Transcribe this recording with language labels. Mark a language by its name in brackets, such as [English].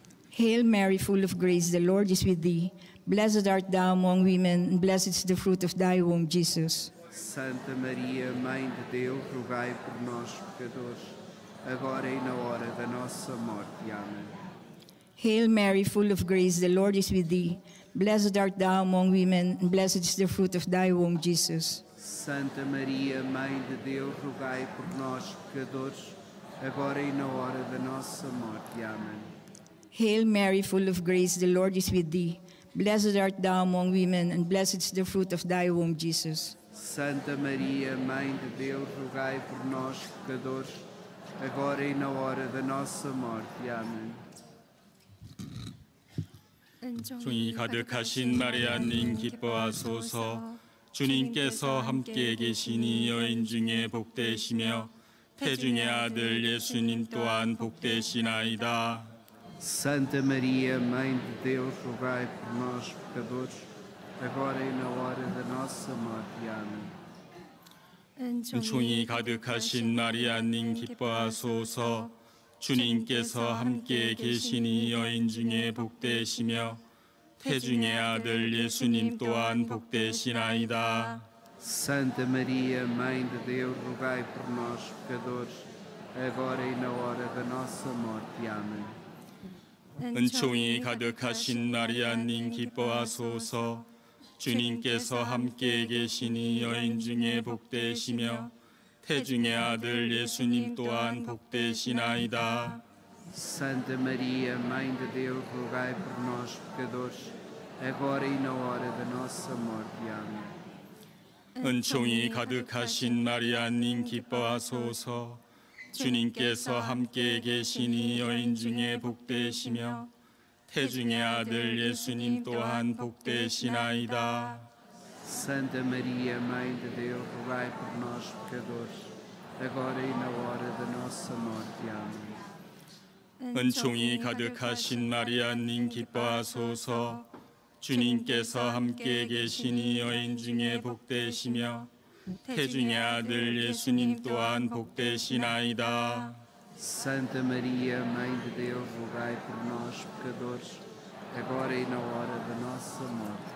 [English] Hail Mary, full of grace, the Lord is with thee. Blessed art thou among women, and blessed is the fruit of thy womb, Jesus. [Portuguese] Santa Maria, Mãe de Deus, rogai por nós, pecadores, agora e na hora da nossa morte. Amém. [English] Hail Mary, full of grace, the Lord is with thee. Blessed art thou among women, and blessed is the fruit of thy womb, Jesus. [Portuguese] Santa Maria, Mãe de Deus, rogai por nós, pecadores, agora e na hora da nossa morte. Amém. [English] Hail Mary, full of grace, the Lord is with thee. Blessed art thou among women, and blessed is the fruit of thy womb, Jesus. [Portuguese] Santa Maria, Mãe de Deus, rogai por nós, pecadores, agora e na hora da nossa morte. Amém. [Korean] 주님 가득하신 마리아님 기뻐하소서 주님께서 함께 계시니 여인 중에 복되시며 태중의 아들 예수님 또한 복되시나이다 [Portuguese] Santa Maria, Mãe de Deus, rogai por nós, pecadores, agora e na hora da nossa morte. Amém. [Korean] 은총이 가득하신 마리아님 기뻐하소서 주님께서 함께 계시니 여인 중에 복되시며 태중의 아들 예수님 또한 복되시나이다. [Portuguese] Santa Maria, Mãe de Deus, rogai por nós, pecadores, agora e na hora da nossa morte. Amém. [Korean] 은총이 가득하신 마리아님 기뻐하소서 주님께서 함께 계시니 여인 중에 복되시며 태중의 아들 예수님 또한 복되시나이다. [Portuguese] Santa Maria, Mãe de Deus, rogai por nós, pecadores, agora e na hora da nossa morte. Amém. [Korean] 은총이 가득하신 마리아님 기뻐하소서 주님께서 함께 계시니 여인 중에 복되시며 태중의 아들 예수님 또한 복되시나이다. [Portuguese] Santa Maria, Mãe de Deus, rogai por nós, pecadores, agora e na hora da nossa morte. Amém. [Korean] 은총이 가득하신 마리아님 기뻐하소서 주님께서 함께 계시니 여인 중에 복되시며 태중의 아들 예수님 또한 복되시나이다. [Portuguese] Santa Maria, Mãe de Deus, rogai por nós, pecadores, agora e na hora da nossa morte.